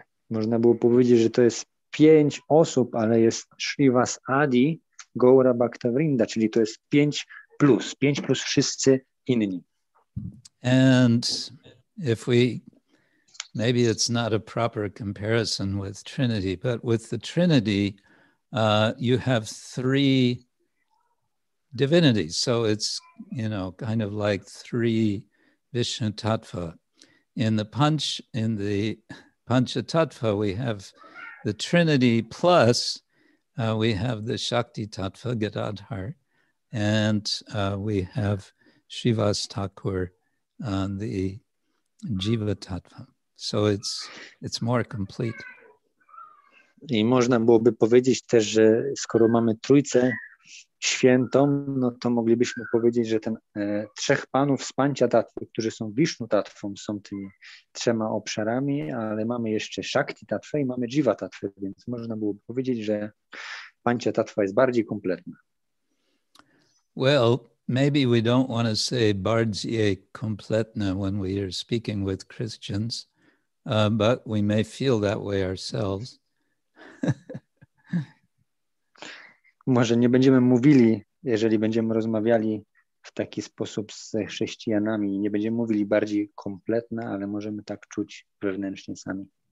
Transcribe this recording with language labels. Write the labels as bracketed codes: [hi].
[pl] Można było powiedzieć, że to jest pięć osób, ale jest Shrivas Adi Gaura Bhaktavrinda, czyli to jest pięć plus wszyscy inni. [en] And if we, maybe it's not a proper comparison with Trinity, but with the Trinity, you have three divinities. So it's, you know, kind of like three Vishnu Tattva. In the Panchatattva, we have the Trinity plus we have the Shakti Tattva, Gadadhar, and we have Shivas Thakur, the Jiva Tattva. So it's more complete. [pl] I można byłoby powiedzieć też, że skoro mamy Trójcę Świętą, no to moglibyśmy powiedzieć, że ten trzech panów z Panchatattwy, którzy są Vishnu Tattwą, są tymi trzema obszarami, ale mamy jeszcze Shakti Tattwę i mamy Jiva Tattwę, więc można było powiedzieć, że Panchatattwa jest bardziej kompletna. [en] Well, maybe we don't want to say [pl] bardziej kompletna [en] when we are speaking with Christians, but we may feel that way ourselves. [pl] Może nie będziemy mówili, jeżeli będziemy rozmawiali w taki sposób ze chrześcijanami. Nie będziemy mówili bardziej kompletne, ale możemy tak czuć wewnętrznie sami.